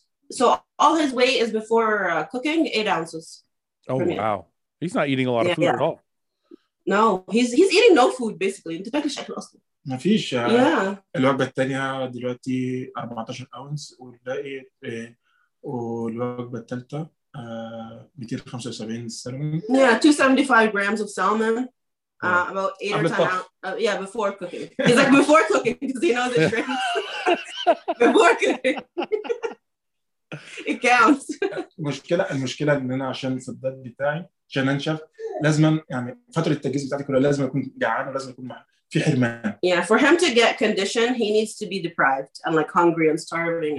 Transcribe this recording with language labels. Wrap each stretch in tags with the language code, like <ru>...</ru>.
<en>So all his weight is before cooking, 8 ounces. Oh, wow. He's not eating a lot of food at all. No, he's eating no food, basically. In Turkish, I lost it.</en> <ar>ما فيش</ar> <en>yeah.</en> <ar>الوجبة الثانية دلوقتي 14 أونس والباقي والوجبة الثالثة 275 سلمون.</ar> <en>Yeah, 275 grams of salmon. About 8 or 10 ounces. Yeah, before cooking. He's like before cooking because he knows the trick. Before cooking. It counts.</en> <ar>المشكلة إن أنا عشان في الدايت بتاعي عشان أنشف لازم يعني فترة التجهيز بتاعتي كلها لازم أكون جعان ولازم أكون معاه.</ar> <en>Yeah, for him to get conditioned, he needs to be deprived and like hungry and starving.</en>